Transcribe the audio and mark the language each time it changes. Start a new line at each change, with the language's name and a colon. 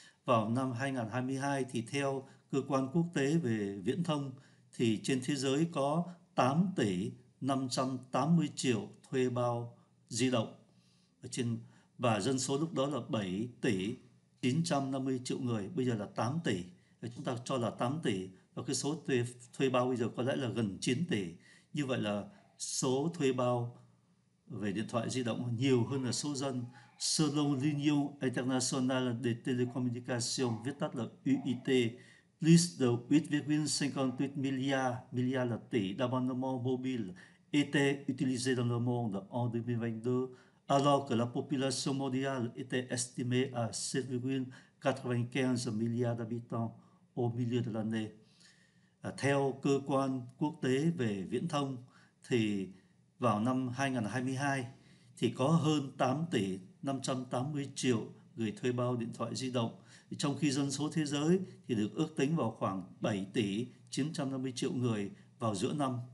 Vietnamese: Vào năm 2022 thì theo cơ quan quốc tế về viễn thông thì trên thế giới có 8 tỷ 580 triệu thuê bao di động ở trên, và dân số lúc đó là 7 tỷ 950 triệu người, bây giờ là 8 tỷ, chúng ta cho là 8 tỷ, và cái số thuê bao bây giờ có lẽ là gần 9 tỷ. Như vậy là số thuê bao về điện thoại di động nhiều hơn là số dân.
French: Selon l'Union internationale de télécommunication,
Vietnamese: viết tắt là UIT,
French: plus de 8,58 milliards
Vietnamese: là tỷ
French: d'abonnements mobiles étaient utilisés dans le monde en 2022, Alors que la population mondiale était estimée à 7,95 milliards d'habitants au milieu de l'année,
Vietnamese: theo cơ quan quốc tế về viễn thông, thì vào năm 2022 thì có hơn 8 tỷ 580 triệu người thuê bao điện thoại di động, trong khi dân số thế giới thì được ước tính vào khoảng 7 tỷ 950 triệu người vào giữa năm.